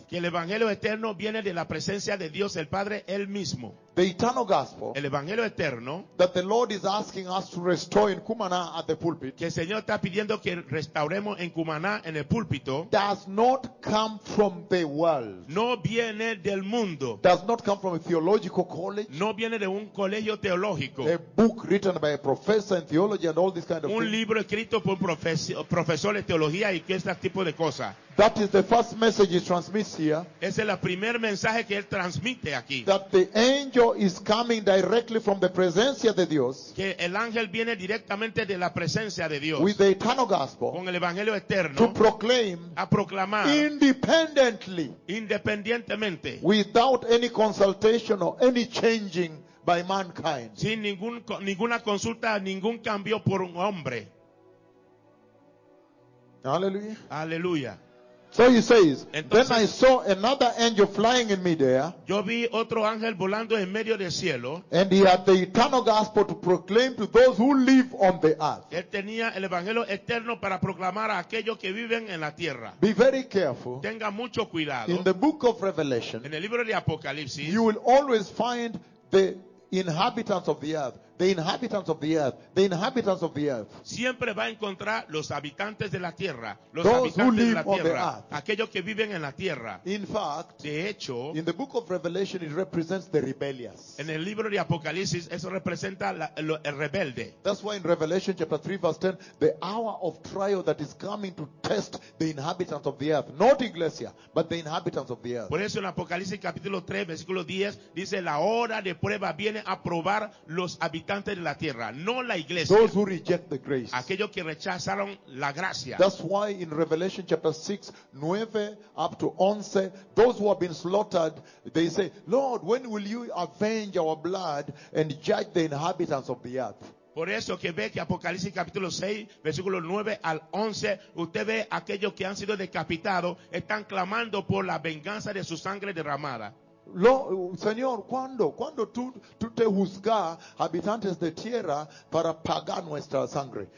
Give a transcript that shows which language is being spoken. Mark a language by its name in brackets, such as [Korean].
[Spanish] Que el evangelio eterno viene de la presencia de Dios el Padre él mismo. [English] The eternal gospel, [Spanish] el evangelio eterno, [English] that the Lord is asking us to restore in Cumaná at the pulpit, [Spanish] que el Señor está pidiendo que restauremos en Cumaná en el púlpito, [English] does not come from the world, [Spanish] no viene del mundo, [English] does not come from a theological college, [Spanish] no viene de un colegio teológico, [English] a book written by a professor in theology and all these kind of things, [Spanish] un libro escrito por un profesor de teología y que este tipo de cosas. [English] That is the first message he transmits here. [Spanish] Ese es el primer mensaje que él transmite aquí. [English] That the angel is coming directly from the [Spanish] presencia de Dios. Que el ángel viene directamente de la presencia de Dios. [English] With the eternal gospel. [Spanish] Con el evangelio eterno. [English] To proclaim. [Spanish] A proclamar. [English] Independently. [Spanish] Independientemente. [English] Without any consultation or any changing by mankind. [Spanish] Sin ninguna consulta, ningún cambio por un hombre. [English] Hallelujah. Hallelujah. So he says, [Spanish] entonces, [English] then I saw another angel flying in midair. [Spanish] Yo vi otro ángel volando en medio del cielo. [English] And he had the eternal gospel to proclaim to those who live on the earth. [Spanish] Él tenía el evangelio eterno para proclamar a aquellos que viven en la tierra. [English] Be very careful. [Spanish] Tenga mucho cuidado. [English] In the book of Revelation, [Spanish] en el libro de Apocalipsis, [English] you will always find the inhabitants of the earth. The inhabitants of the earth. The inhabitants of the earth. [Spanish] Siempre va a encontrar los habitantes de la tierra, los [English] those who live [Spanish] de la tierra, [English] on the earth. [Spanish] Aquellos que viven en la tierra. [English] In fact, [Spanish] de hecho, [English] in the book of Revelation, it represents the rebellious. [Spanish] En el libro de Apocalipsis, eso representa el rebelde. [English] That's why in Revelation chapter 3 verse 10, the hour of trial that is coming to test the inhabitants of the earth, not Iglesia, but the inhabitants of the earth. [Spanish] Por eso en Apocalipsis capítulo 3 versículo 10 dice la hora de prueba viene a probar los habitantes de la tierra, no la iglesia. [English] Those who reject the grace. [Spanish] Aquellos que rechazaron la gracia. [English] That's why in Revelation chapter 6, 9 up to 11, those who have been slaughtered, they say, Lord, when will you avenge our blood and judge the inhabitants of the earth? [Spanish] Por eso que ve que Apocalipsis capítulo 6, versículo 9 al 11, usted ve aquellos que han sido decapitados, están clamando por la venganza de su sangre derramada. Señor, ¿cuándo tú te juzgas habitantes de tierra para pagar nuestra sangre?